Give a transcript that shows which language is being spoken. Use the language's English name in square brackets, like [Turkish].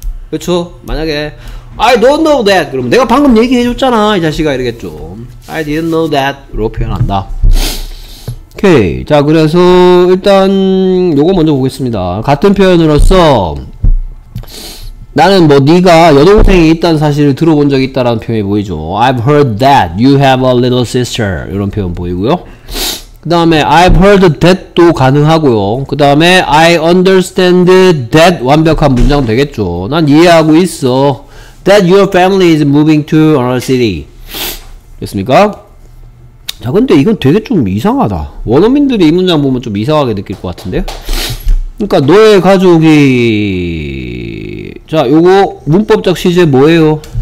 [Korean] 그렇죠? 만약에 [English] I don't know that [Korean] 그러면 내가 방금 얘기해줬잖아 이 자식아 이러겠죠. [English] I didn't know that로 [Korean] 표현한다. 오케이. 자, 그래서 일단 요거 먼저 보겠습니다. 같은 표현으로서 나는 뭐 네가 여동생이 있다는 사실을 들어본 적이 있다라는 표현이 보이죠. [English] I've heard that you have a little sister [Korean] 이런 표현 보이고요. 그 다음에 [English] I've heard that [Korean] 도 가능하고요. 그 다음에 [English] I understand that [Korean] 완벽한 문장 되겠죠. 난 이해하고 있어. [English] That your family is moving to another city [Korean] 됐습니까? 자, 근데 이건 되게 좀 이상하다. 원어민들이 이 문장 보면 좀 이상하게 느낄 것 같은데요. 그러니까 너의 가족이 자, 요거 문법적 시제 뭐예요?